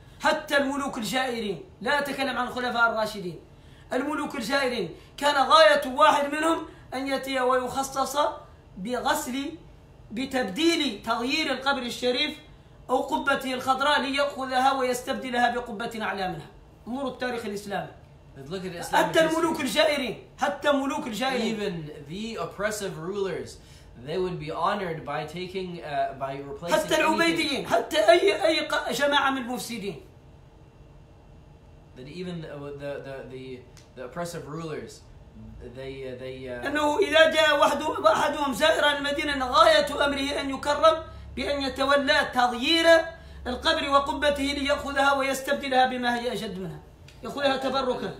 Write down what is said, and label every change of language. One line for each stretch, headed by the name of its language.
Arabic: حتى الملوك الجائرين لا أتكلم عن الخلفاء الراشدين الملوك الجائرين كان غاية واحد منهم أن يأتي ويخصص بغسل بتبديل تغيير القبر الشريف أو قبته الخضراء ليأخذها ويستبدلها بقبة أعلى منها نور التاريخ الإسلامي حتى الملوك الجائرين
English: even the oppressive rulers they would be honored by taking by replacing
Arabic: حتى العبيديين حتى أي جماعة من المفسدين
English: that even the oppressive rulers
Arabic: انه اذا جاء احدهم زائرا المدينه غايه امره ان يكرم بان يتولى تغيير القبر وقبته لياخذها ويستبدلها بما هي اجد منها ياخذها تبركا